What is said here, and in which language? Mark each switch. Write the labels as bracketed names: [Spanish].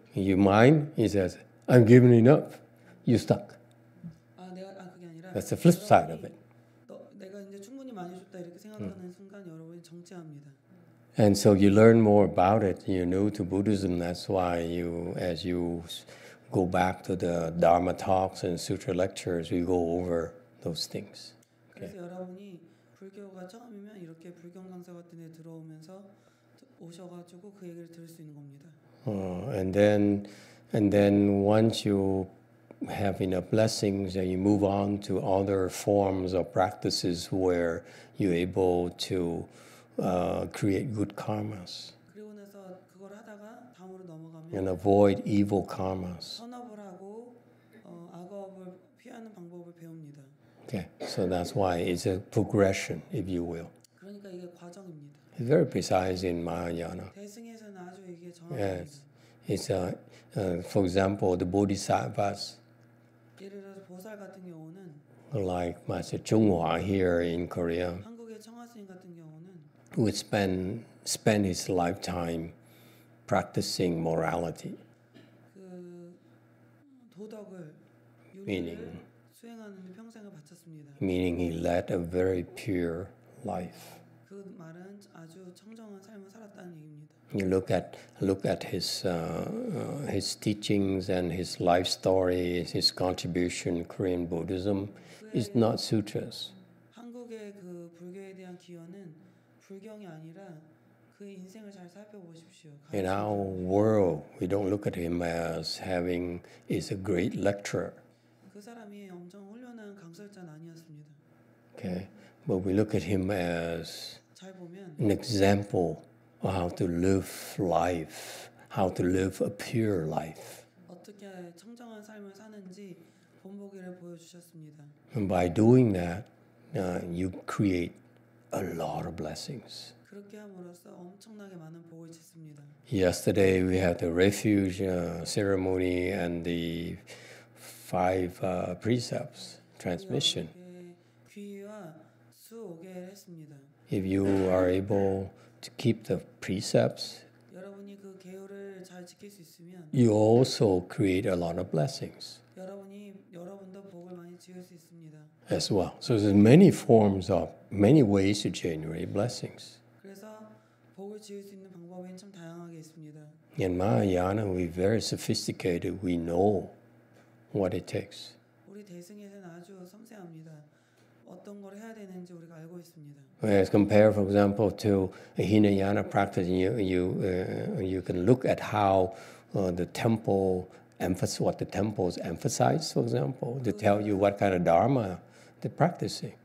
[English] Your mind, he says, I'm giving enough, you're stuck. [Korean] 그게 아니라, [English] That's the flip side of it. [Korean] 내가 이제 충분히 많이 줬다 이렇게 생각하는 순간 여러분이 정체합니다. [English] And so you learn more about it, you're new to Buddhism, that's why you, as you go back to the Dharma talks and sutra lectures, you go over those things. Okay. [Korean] 그래서 여러분이 불교가 처음이면 이렇게 불경 강사 같은 데 들어오면서 오셔가지고 그 얘기를 들을 수 있는 겁니다. [English] And then once you have enough blessings, and you move on to other forms of practices where you're able to create good karmas. [Korean] 그리고 나서 그걸 하다가 다음으로 넘어가면. [English] And avoid evil karmas. [Korean] 선업을 하고 악업을 피하는 방법을 배웁니다. [English] Okay, so that's why it's a progression, if you will. [Korean] 그러니까 이게 과정입니다. [English] It's very precise in Mahayana. Yes. It's for example, the Bodhisattvas. [Korean] 예를 들어서 보살 같은 경우는 [English] like Master JongHua here in Korea. [Korean] 한국의 청하스님 같은 경우는 [English] would spend his lifetime practicing morality. [Korean] 그 도덕을 [English] meaning, [Korean] 수행하는 데 평생을 바쳤습니다. [English] Meaning he led a very pure life. [Korean] 그 말은 아주 청정한 삶을 살았다는 얘기입니다. [English] You look at his teachings and his life story, his contribution Korean Buddhism is not sutras. [Korean] 한국의 그 불교에 대한 기여는 불경이 아니라 그 인생을 잘 살펴보십시오. [English] In our world, we don't look at him as having is a great lecturer. [Korean] 그 사람이 엄청 훌륭한 강설자는 아니었습니다. [English] Okay, but we look at him as an example of how to live life, how to live a pure life. [Korean] 어떻게 청정한 삶을 사는지 본보기를 보여주셨습니다. [English] And by doing that, you create a lot of blessings. [Korean] 그렇게 함으로써 엄청나게 많은 복을 짓습니다. [English] Yesterday we had the refuge ceremony and the five precepts transmission. [Korean] 귀와 수옥회를 했습니다. [English] If you are able to keep the precepts, [Korean] 여러분이 그 계율을 잘 지킬 수 있으면, [English] you also create a lot of blessings. [Korean] 여러분도 복을 많이 지을 수 있습니다. [English] As well, so there's many forms of many ways to generate blessings. [Korean] 그래서 복을 지을 수 있는 방법이 참 다양하게 있습니다. [English] In Mahayana, we very sophisticated. We know what it takes. [Korean] 우리 대승에서는 아주 섬세합니다. 어떤 걸 해야 되는지 우리가 알고 있습니다. [English] As compared, for example, to Hinayana practice, you can look at how the temple emphasize what the temples emphasize, for example, to tell you what kind of dharma they're practicing.